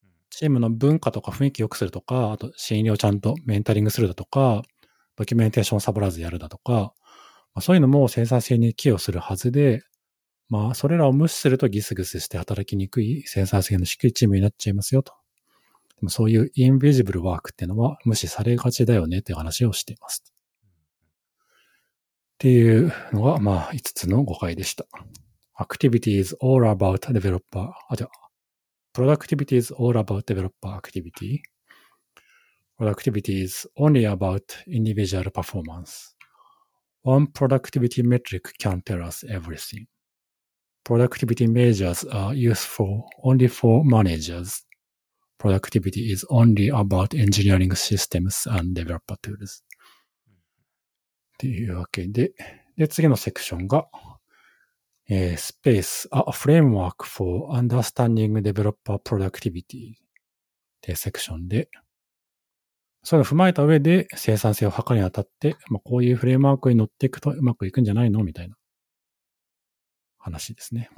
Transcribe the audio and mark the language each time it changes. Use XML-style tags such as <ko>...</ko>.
<ja>チームの文化とか雰囲気良くするとか、あと信頼をちゃんとメンタリングするだとか、ドキュメンテーションをサボらずやるだとか、まあ、そういうのも生産性に寄与するはずで、まあ、それらを無視するとギスギスして働きにくい生産性の低いチームになっちゃいますよと。でもそういうインビジブルワークっていうのは無視されがちだよねっていう話をしています。っていうのが、まあ、5つの誤解でした。</ja> <en>Activity is all about developer. Productivity is all about developer activity. Productivity is only about individual performance. One productivity metric can tell us everything. Productivity measures are useful only for managers. Productivity is only about engineering systems and developer tools.</en> <ja>というわけで。で、次のセクションが、スペース、あ、フレームワーク</ja> <en>for understanding developer productivity</en> <ja>っていうセクションで、それを踏まえた上で生産性を測るにあたって、まあ、こういうフレームワークに乗っていくとうまくいくんじゃないのみたいな話ですね。</ja>